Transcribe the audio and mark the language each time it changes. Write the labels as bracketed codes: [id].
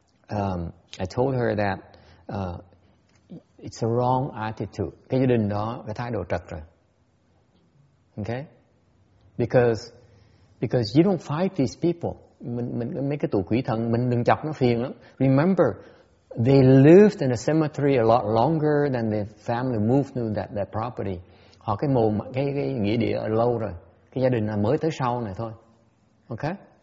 [en] I told her that it's a wrong attitude. [vi] Cái gia đình đó cái thái độ trật rồi. Okay? [en] Because you don't fight these people. [vi] Mình mấy cái tụi quỷ thần mình đừng chọc nó phiền lắm. [en] Remember, they lived in a cemetery a lot longer than the family moved to that property. [vi] Họ cái mồ cái nghĩa địa ở lâu rồi. Cái gia đình là mới tới sau này thôi. Okay?